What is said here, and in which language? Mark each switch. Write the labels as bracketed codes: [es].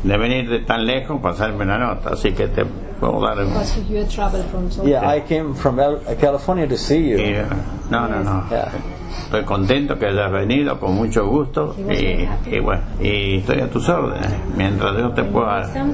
[es] De venir de tan lejos, pasarme una nota, así que te. [en] Because you travel from somewhere. Yeah, I came from California to see you. Yeah. No, yes. No. Yeah. [es] Estoy contento que hayas venido con mucho gusto y bueno, y estoy a tus órdenes mientras yo te pueda.